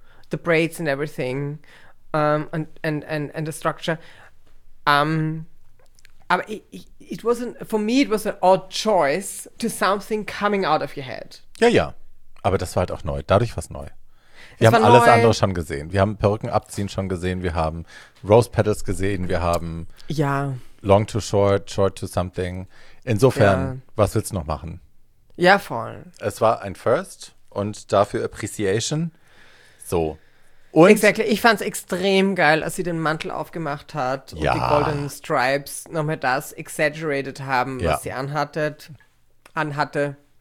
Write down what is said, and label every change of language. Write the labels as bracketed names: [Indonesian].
[English] The braids and everything. And the structure. Aber it wasn't, for me it was an odd choice to something coming out of your head. [German] Ja, ja. Aber das war halt auch neu. Dadurch war es neu. Wir haben alles andere schon gesehen. Wir haben Perücken abziehen schon gesehen. Wir haben Rose Petals gesehen. Wir haben ja. [English] Long to Short, Short to Something. [German] Insofern, ja. Was willst du noch machen? Ja, voll. Es war ein First und dafür Appreciation. So. Und exactly. Ich fand es extrem geil, als sie den Mantel aufgemacht hat und ja. Die Golden Stripes nochmal das exaggerated haben, was ja. Sie anhatte.